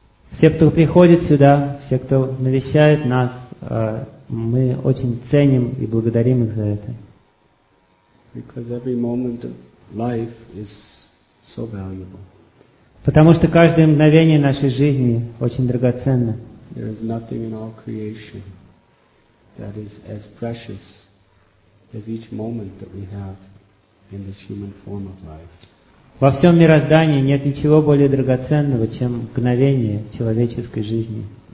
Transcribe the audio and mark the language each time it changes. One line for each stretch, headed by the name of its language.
Russian: Все, кто приходит сюда, все, кто навещает нас, мы очень ценим и благодарим их за это.
English: Because every moment of life is so valuable.
Russian: Потому что каждое мгновение нашей жизни очень драгоценно.
English: There is nothing in all creation that is as precious as each moment that we have in this human form of life.
Russian: Во всем мироздании нет ничего более драгоценного, чем мгновение человеческой жизни.